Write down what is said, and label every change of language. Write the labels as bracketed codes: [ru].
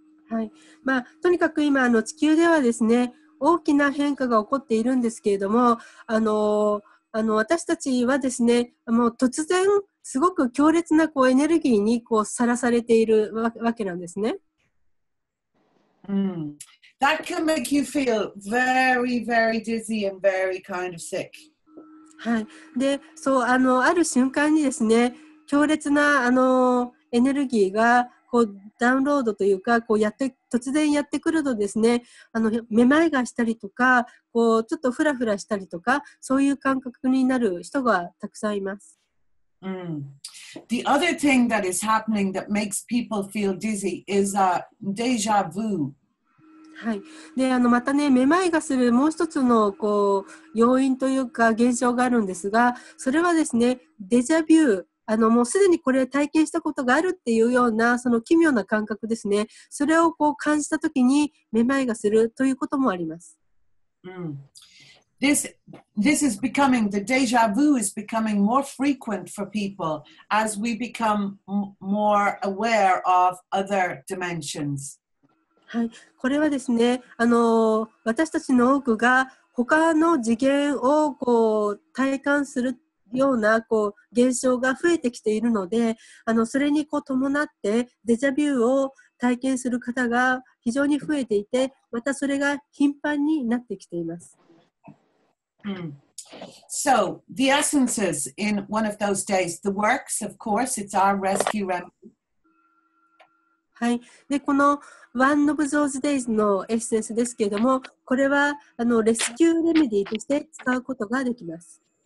[ja] はい、まあ、とにかく今地球ではですね、大きな変化が起こっているんですけれども、私たちはですね、もう突然すごく強烈なこうエネルギーにこうさらされているわけなんですね。 [en] That can make you feel very, very dizzy and very kind of sick. [ja] はい。で、そう、ある瞬間にですね、強烈なエネルギーがこうダウンロードというか、こうやって突然やってくるとですね、めまいがしたりとか、こうちょっとフラフラしたりとか、そういう感覚になる人がたくさんいます。 [en] The other thing that is happening that makes people feel dizzy is a déjà vu. [ja] はい、でまたね、めまいがするもう一つのこう要因というか現象があるんですが、それはですね、デジャビュー、もうすでにこれ体験したことがあるっていうような、その奇妙な感覚ですね、それをこう感じたときにめまいがするということもあります。 [en] This is becoming, the deja vu is becoming more frequent for people as we become more aware of other dimensions. [ja] はい、これはですね、私たちの多くが他の次元をこう体感するようなこう現象が増えてきているので、それにこう伴ってデジャビューを体験する方が非常に増えていて、またそれが頻繁になってきています。 [en] So, the essences in one of those days, the works, of course, it's our rescue remedy. [ja] はい、でこの One of those days のエッセンスですけれども、これはレスキューレメディとして使うことができます。